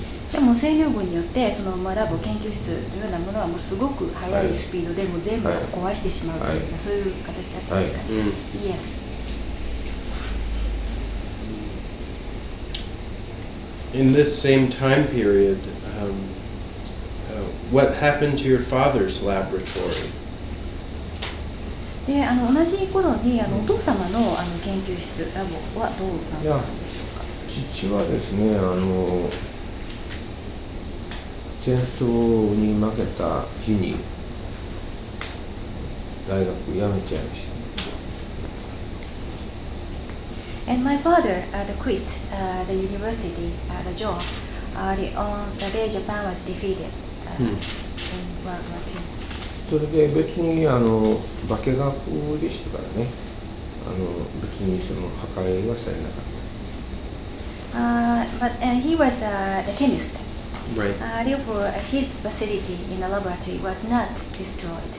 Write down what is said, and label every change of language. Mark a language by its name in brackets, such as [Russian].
[Japanese] じゃあもう占領軍によってその、まあ、ラボ研究室のようなものはもうすごく速いスピードでも全部壊してしまうというか、そういう形だったんですか、 [English] Yes. In this same time period,What happened to your father's laboratory? [Japanese] で、あの同じ頃にあのお父様 の, あの研究室ラボはどうなったんでしょうか。父はですね、あの戦争に負けた日に大学を辞めちゃいました。 [English] And my father quit the university the job on the day Japan was defeated. [Japanese] それで別にあの化け学でしたからね。あの別にその破壊はされなかった。 [English] But and he was the chemist. Right. Therefore, his facility in the laboratory was not destroyed.